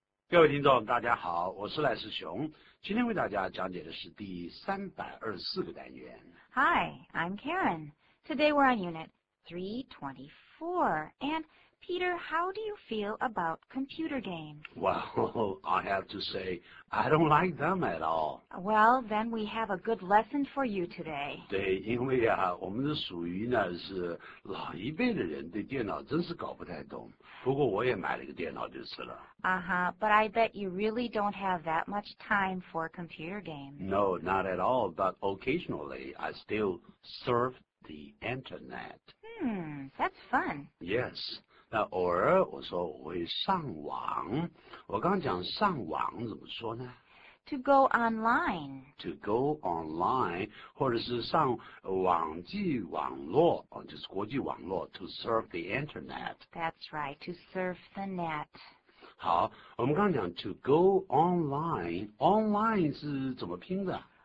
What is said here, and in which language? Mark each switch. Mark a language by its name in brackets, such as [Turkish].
[Chinese] 各位听众，大家好，我是赖世雄。今天为大家讲解的是第324个单元。 [English] Hi, I'm Karen. Today we're on Unit 324. And Peter, how do you feel about computer games? Well, I have to say, I don't like them at all. Well, then we have a good lesson for you today. [Chinese] 对，因为啊，我们是属于呢是老一辈的人，对电脑真是搞不太懂。不过我也买了个电脑就是了。 [English] Uh-huh, but I bet you really don't have that much time for computer games. No, not at all, but occasionally I still surf the internet. That's fun. Yes. [Chinese] 那偶尔我说我会上网，我刚讲上网怎么说呢 [English] ？To go online. To go online， [Chinese] 或者是上网际网络，就是国际网络 [English] ，to surf the internet. That's right, to surf the net. [Chinese] 好，我们刚讲 [English] to go online， [Chinese] online 是怎么拼的？